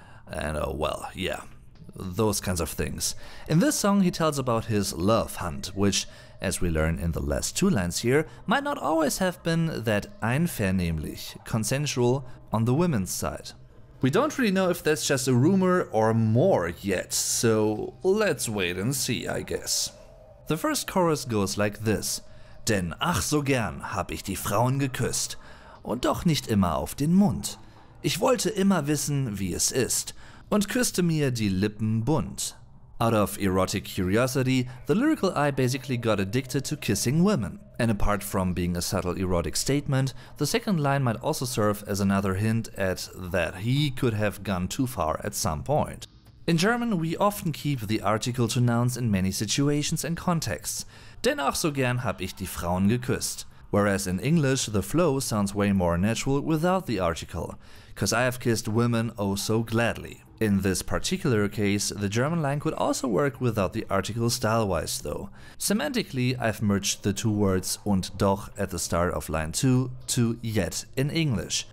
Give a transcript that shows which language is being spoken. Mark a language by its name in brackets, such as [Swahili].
[English] And well, yeah. Those kinds of things. In this song, he tells about his love hunt, which, as we learn in the last two lines here, might not always have been that einvernehmlich, consensual, on the women's side. We don't really know if that's just a rumor or more yet, so let's wait and see, I guess. The first chorus goes like this. [German] Denn ach so gern hab ich die Frauen geküsst, und doch nicht immer auf den Mund. Ich wollte immer wissen, wie es ist, und küsste mir die Lippen bunt. [English] Out of erotic curiosity, the lyrical eye basically got addicted to kissing women. And apart from being a subtle erotic statement, the second line might also serve as another hint at that he could have gone too far at some point. In German, we often keep the article to nouns in many situations and contexts. [German] Denn auch so gern hab ich die Frauen geküsst. [English] Whereas in English, the flow sounds way more natural without the article. Cause I have kissed women oh so gladly. In this particular case, the German line could also work without the article style-wise, though. Semantically, I've merged the two words [German] und doch [English] at the start of line 2 to yet in English.